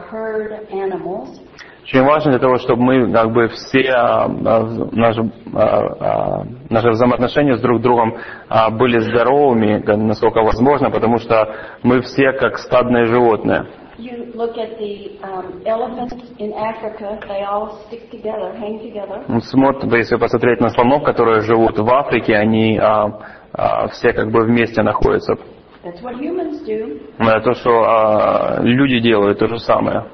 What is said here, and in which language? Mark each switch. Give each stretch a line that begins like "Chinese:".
Russian: Очень важно для того, чтобы мы как бы все наши взаимоотношения с друг другом были здоровыми, насколько возможно, потому что мы все как стадные животные.
English: You look at the elephants in Africa, they all stick together, hang together.
Russian: Смотрите, если посмотреть на слонов, которые живут в Африке, они все как бы вместе находятся.
English: That's what humans do.
Russian: То, что люди делают, то же самое.